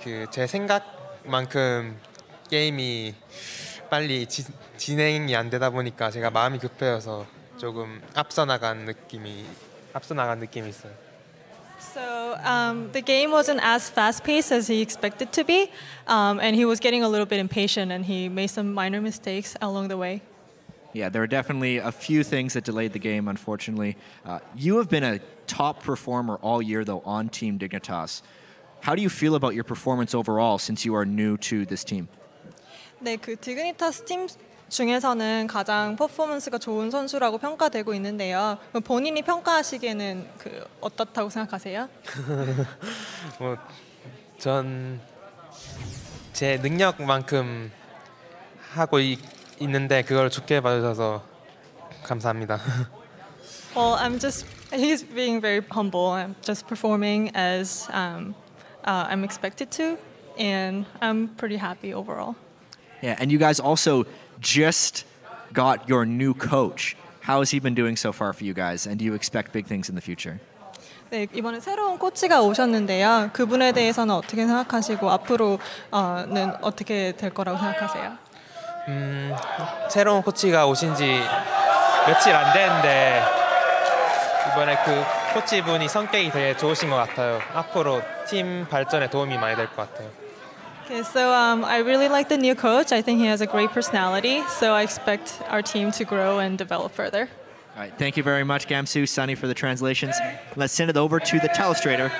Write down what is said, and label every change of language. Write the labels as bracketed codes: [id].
[ko] 제 생각만큼 게임이 빨리 진행이 안 되다 보니까 제가 마음이 급해서 조금 앞서 나간 느낌이 있어요. [en] So the game wasn't as fast-paced as he expected to be, and he was getting a little bit impatient, and he made some minor mistakes along the way. Yeah, there are definitely a few things that delayed the game, unfortunately. You have been a top performer all year, though, on Team Dignitas. How do you feel about your performance overall since you are new to this team? [ko] 네, 그 Dignitas 팀 중에서는 가장 퍼포먼스가 좋은 선수라고 평가되고 있는데요. 본인이 평가하시기에는 그 어떻다고 생각하세요? 뭐 전 제 능력만큼 하고 있는데 그걸 좋게 봐주셔서 감사합니다. [en] Well, he's being very humble. I'm just performing as I'm expected to, and I'm pretty happy overall. Yeah, and you guys also just got your new coach. How has he been doing so far for you guys? And do you expect big things in the future? [ko] 네, 이번에 새로운 코치가 오셨는데요. 그분에 대해서는 어떻게 생각하시고 앞으로는 어떻게 될 거라고 생각하세요? 새로운 코치가 오신 지 며칠 안 됐는데 이번에 그 코치분이 성격이 되게 좋으신 것 같아요. 앞으로 팀 발전에 도움이 많이 될 것 같아요. [en] Okay, so I really like the new coach. I think he has a great personality, so I expect our team to grow and develop further. All right, thank you very much, Gamsu, Sunny, for the translations. Let's send it over to the telestrator.